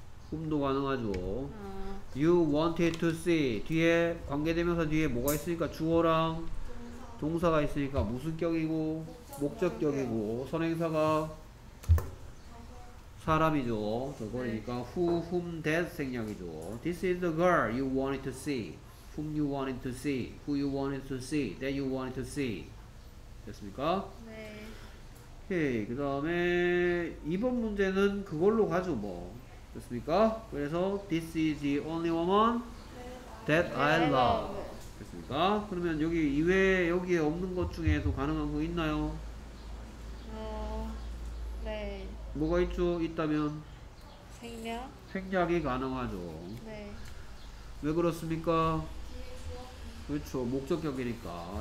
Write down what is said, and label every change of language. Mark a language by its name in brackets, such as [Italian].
[Korean] 꿈도 가능하죠. [English] You wanted to see. [Korean] 뒤에 관계대명사 뒤에 뭐가 있으니까 주어랑 동사가 있으니까 무슨격이고 목적격이고 선행사가 사람이죠. 그러니까 네. who, whom, that 생략이죠. [English] This is the girl you wanted to see. Whom you wanted to see. Who you wanted to see. That you wanted to see. [Korean] 됐습니까? 네. 오케이. 그 다음에 이번 문제는 그걸로 가죠 뭐. 됐습니까? 그래서 [English] This is the only woman that I love. [Korean] 됐습니까? 그러면 여기 이외에 여기에 없는 것 중에도 가능한 거 있나요? 네. 뭐가 있죠? 있다면? 생략? 생략이 가능하죠. 네. 왜 그렇습니까? 그렇죠. 목적격이니까.